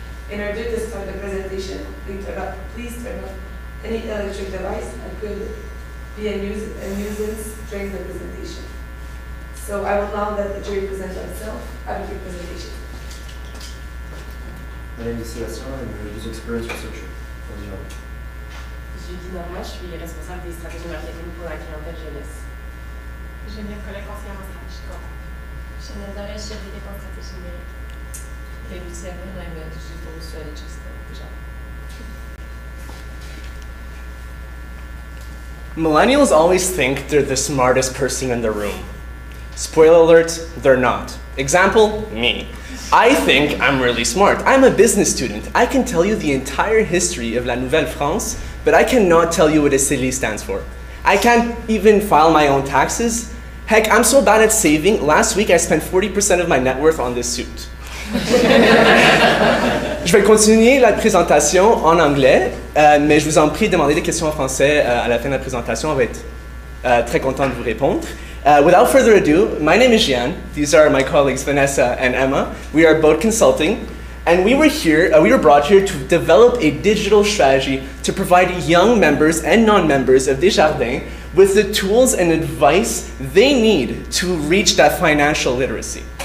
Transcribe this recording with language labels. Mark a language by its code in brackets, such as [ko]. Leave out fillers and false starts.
[en] In order to start the presentation, please turn off any electric device that could be a nuisance during the presentation. So I will now let the jury present themselves after your presentation. My name is Sébastien, I'm a user experience researcher for the job. [fr] Julie Normand, je suis responsable des stratégies marketing pour la clientèle jeunesse. Je viens collègue conseiller en stratégie corps. Je suis Nathalie, je suis des stratégies numériques. [en] Et Lucie Avril, I'm a digital strategist for the job. Millennials always think they're the smartest person in the room. Spoiler alert, they're not. Example, me. I think I'm really smart. I'm a business student. I can tell you the entire history of La Nouvelle France, but I cannot tell you what a CELI stands for. I can't even file my own taxes. Heck, I'm so bad at saving, last week I spent 40% of my net worth on this suit. [fr] Je vais continuer la présentation en anglais, mais je vous en prie, demandez des questions en français à la fin de la présentation. On va être très content de vous répondre. [en] Without further ado, my name is Jeanne. These are my colleagues, Vanessa and Emma. We are both consulting, and we were brought here to develop a digital strategy to provide young members and non-members of Desjardins with the tools and advice they need to reach that financial literacy.